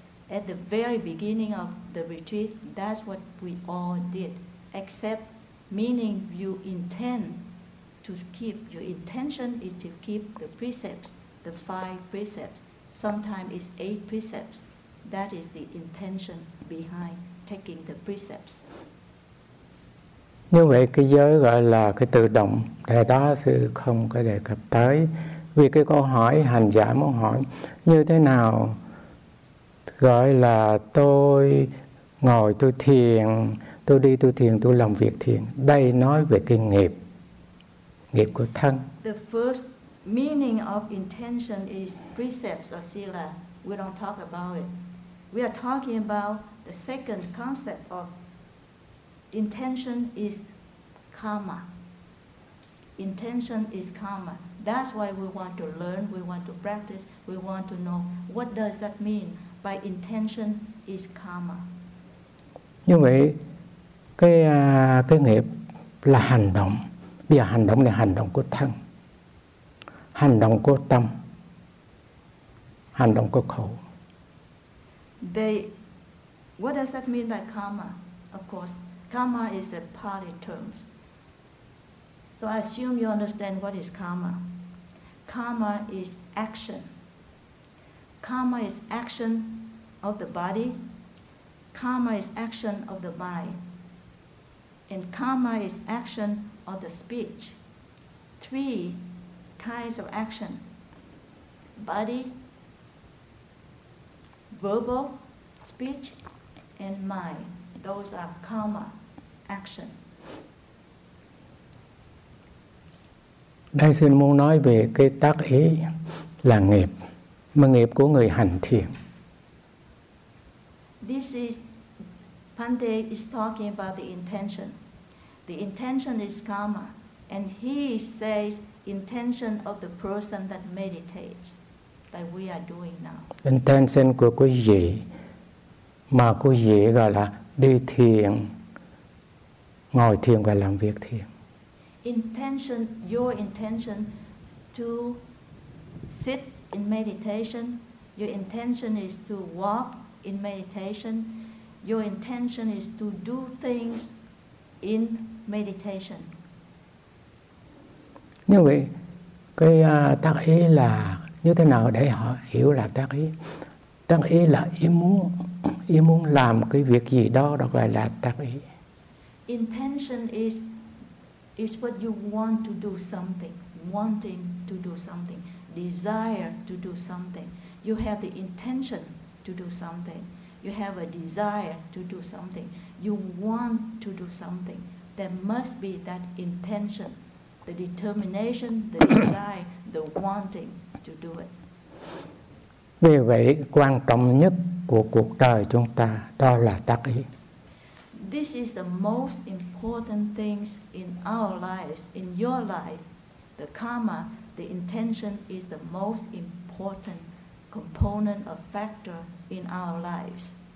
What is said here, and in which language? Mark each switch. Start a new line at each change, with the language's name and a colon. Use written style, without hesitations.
English: At the very beginning of the retreat, that's what we all did, except meaning you intend to keep, your intention is to keep the precepts, the five precepts. Sometimes it's eight precepts, That is the intention behind taking the precepts.
Vietnamese: Như vậy cái giới gọi là cái tự động, đại đa sư không có đề cập tới. Vì cái câu hỏi hành giả muốn hỏi như thế nào gọi là tôi ngồi tôi thiền, tôi đi tôi thiền, tôi làm việc thiền. Đây nói về cái nghiệp, nghiệp của thân.
English: The first meaning of intention is precepts or sila. We don't talk about it. We are talking about the second concept of intention is karma. Intention is karma. That's why we want to learn, we want to practice, we want to know what does that mean by intention is karma.
Vietnamese: Như vậy, cái nghiệp là hành động. Bây giờ hành động là hành động của thân, hành động của tâm, hành động của khẩu.
English: What does that mean by karma? Of course, karma is a Pali term. So I assume you understand what is karma. Karma is action. Karma is action of the body. Karma is action of the mind. And karma is action of the speech. Three kinds of action. Body, verbal, speech, and mind. Those are karma action.
Vietnamese: Đại sư muốn nói về cái tác ý là nghiệp, mà nghiệp của người hành thiền.
English: This is, Bhante is talking about the intention. The intention is karma, and he says intention of the person that meditates, that we are doing now.
Vietnamese: Intention của quý vị, mà quý vị gọi là đi thiền, ngồi thiền và làm việc thiền.
English: Intention, your intention to sit in meditation, your intention is to walk in meditation, your intention is to do things in meditation.
Vietnamese: Như vậy, cái tác ý là như thế nào để họ hiểu là tác ý? Tác ý là ý muốn làm cái việc gì đó, đó gọi là tác ý.
English: Intention is what you want to do something, wanting to do something, desire to do something. You have the intention to do something. You have a desire to do something. You want to do something. There must be that intention, the determination, the desire, the wanting to do it.
Vietnamese: Vì vậy, quan trọng nhất của cuộc đời chúng ta đó là tác ý.
English: This is the most important things in our lives, in your life. The karma, the intention is the most important component or factor in our lives.